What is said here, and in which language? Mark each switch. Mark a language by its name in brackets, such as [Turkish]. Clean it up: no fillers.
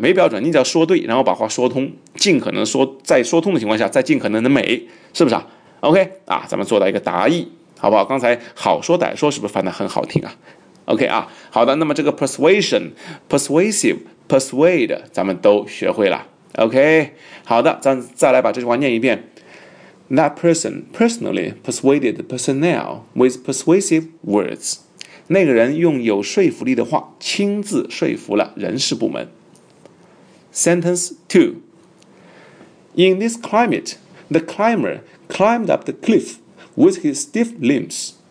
[Chinese] 没标准，你只要说对，然后把话说通，尽可能说，在说通的情况下，再尽可能的美，是不是啊 ？OK 啊，咱们做到一个答意，好不好？刚才好说歹说是不是翻得很好听啊 ？OK 啊，好的，那么这个 persuasion、persuasive、persuade， 咱们都学会了。 OK， 好的，咱再来把这句话念一遍。 [English] That person personally persuaded the personnel with persuasive words. [Chinese] 那个人用有说服力的话亲自说服了人事部门。 [English] Sentence 2. In this climate, the climber climbed up the cliff with his stiff limbs.